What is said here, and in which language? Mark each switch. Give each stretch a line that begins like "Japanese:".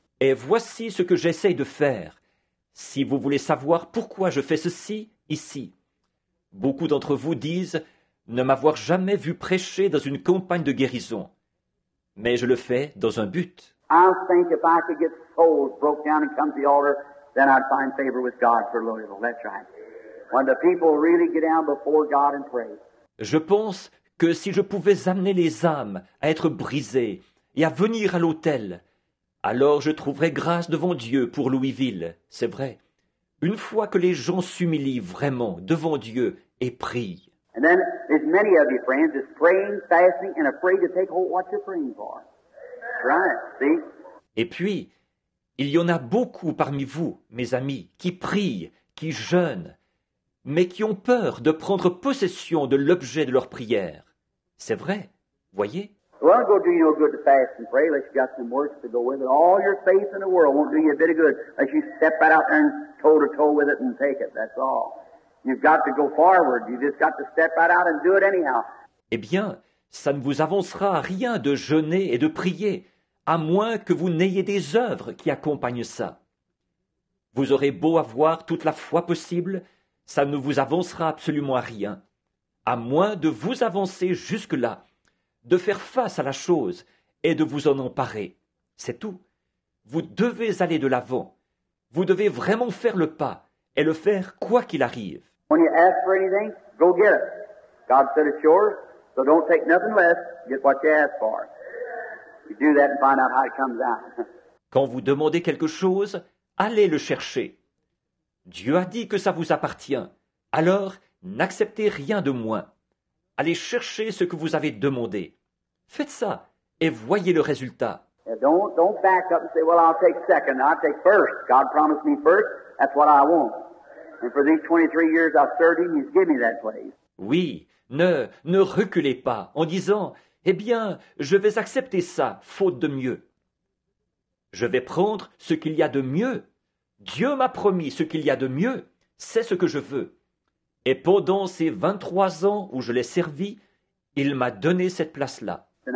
French: Et voici ce que j'essaye de faire. Si vous voulez savoir pourquoi je fais ceci, ici. Beaucoup d'entre vous disent ne m'avoir jamais vu prêcher dans une campagne de guérison. Mais je le fais dans un but.
English: I think if I could get souls broke down and come to the altar, then I'd find favor with God for Louisville. That's right. When the people really get down before God and pray.
French: Je pense que si je pouvais amener les âmes à être brisées et à venir à l'autel, alors je trouverais grâce devant Dieu pour Louisville, c'est vrai. Une fois que les gens s'humilient vraiment devant Dieu et prient.
English: And then there's many of you friends that's praying, fasting and afraid to take hold what you're praying for. Right, see?
French: Et puis, il y en a beaucoup parmi vous, mes amis, qui prient, qui jeûnent, mais qui ont peur de prendre possession de l'objet de leur prière. C'est vrai, voyez?
English: Well, go do you no good to fast and pray, unless you've got some works to go with it. All your faith in the world won't do you a bit of good unless you step right out there and toe to toe with it and take it, that's all. You've got to go forward, you just got to step right out and do it anyhow.
French: Eh bien, ça ne vous avancera à rien de jeûner et de prier, à moins que vous n'ayez des œuvres qui accompagnent ça. Vous aurez beau avoir toute la foi possible, ça ne vous avancera absolument à rien. À moins de vous avancer jusque-là, de faire face à la chose et de vous en emparer. C'est tout. Vous devez aller de l'avant. Vous devez vraiment faire le pas et le faire quoi qu'il arrive.
English: When you ask for anything, go get it. God said it's yours, so don't take nothing less. Get what you ask for. You do that and find out how it comes out.
French: Quand vous demandez quelque chose, allez le chercher. Dieu a dit que ça vous appartient. Alors, n'acceptez rien de moins. Allez chercher ce que vous avez demandé. Faites ça et voyez le résultat.
English: Don't back up and say, well, I'll take second. I'll take first. God promised me first. That's what I want. And for these 23 years I've served him, he's given me that place.
French: Oui, ne reculez pas en disant, eh bien, je vais accepter ça, faute de mieux. Je vais prendre ce qu'il y a de mieux. Dieu m'a promis ce qu'il y a de mieux. C'est ce que je veux. Et pendant ces 23 ans où je l'ai servi, il m'a donné cette place-là.